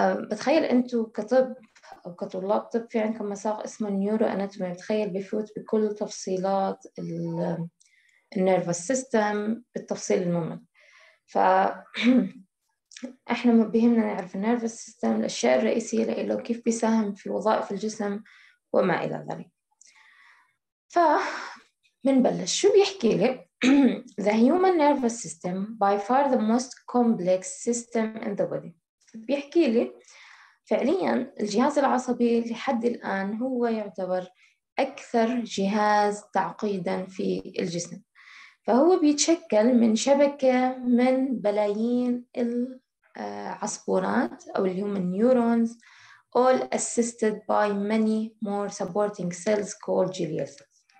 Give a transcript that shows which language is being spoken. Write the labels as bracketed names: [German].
[Arabic] بتخيل أنتوا كطب أو كطلاب طب في عندكم مساق اسمه نيورو أناتومي، بتخيل بيفوت بكل تفصيلات النيرفوس سيستم بالتفصيل الممل. احنا ما بيهمنا نعرف النيرفوس سيستم، الاشياء الرئيسيه له، كيف بيساهم في وظائف الجسم وما الى ذلك. فمنبلش، شو بيحكي لي؟ [English] The human nervous system by far the most complex system in the body. [Arabic] بيحكي لي فعليا الجهاز العصبي لحد الان هو يعتبر اكثر جهاز تعقيدا في الجسم، فهو بيتشكل من شبكه من بلايين عصبونات أو اللي هم النيورونز، [English] all assisted by many more supporting cells called glial cells.